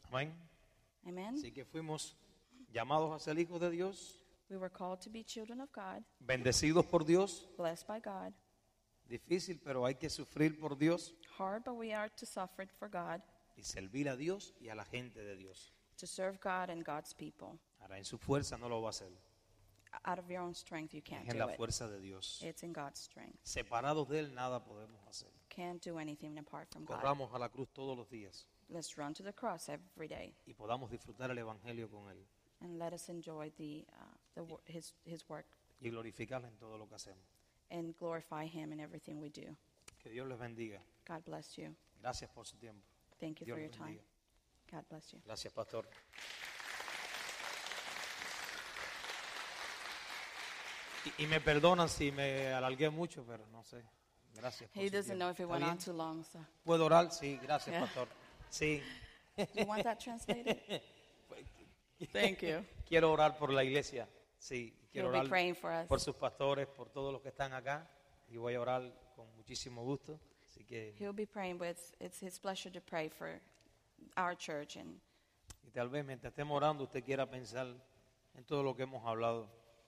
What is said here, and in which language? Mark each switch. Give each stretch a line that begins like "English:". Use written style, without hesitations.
English: Amen. Amen.
Spanish: Así que fuimos llamados a ser hijos de Dios.
English: We were called to be children of God.
Spanish: Bendecidos por Dios.
English: Blessed by God.
Spanish: Difícil, pero hay que sufrir por Dios.
English: Hard, but we are to suffer for God.
Spanish: Y servir a Dios y a la gente de Dios.
English: To serve God and God's people.
Spanish: Ahora en su fuerza no lo va a hacer.
English: Out of your own strength, you can't do it.
Spanish: En la fuerza de Dios.
English: It's in God's strength.
Spanish: Separados de él, nada podemos hacer.
English: Can't do anything apart from
Spanish: Corramos
English: God.
Spanish: Corramos a la cruz todos los días.
English: Let's run to the cross every day.
Spanish: Y podamos disfrutar el evangelio con él.
English: And let us enjoy his work.
Spanish: Y glorificarle en todo lo que hacemos.
English: And glorify him in everything we do.
Spanish: Que Dios les bendiga.
English: God bless you.
Spanish: Gracias por su tiempo.
English: Thank you
Spanish: Dios
English: for your time. God bless you.
Spanish: Gracias, pastor. Y me perdonan si me alargué mucho, pero no sé. Gracias.
English: He doesn't know if it went on too long, so.
Spanish: ¿Puedo orar? Sí, gracias, pastor. Sí.
English: Do you want that translated? Thank you.
Spanish: Quiero orar por la iglesia. Sí, quiero
English: He'll
Spanish: orar
English: be praying for us.
Spanish: Por sus pastores, por todos los que están acá. Y voy a orar con muchísimo gusto. Así que
English: He'll be praying, but it's his pleasure to pray for our church. And
Spanish: y tal vez mientras estemos orando, usted quiera pensar en todo lo que hemos hablado.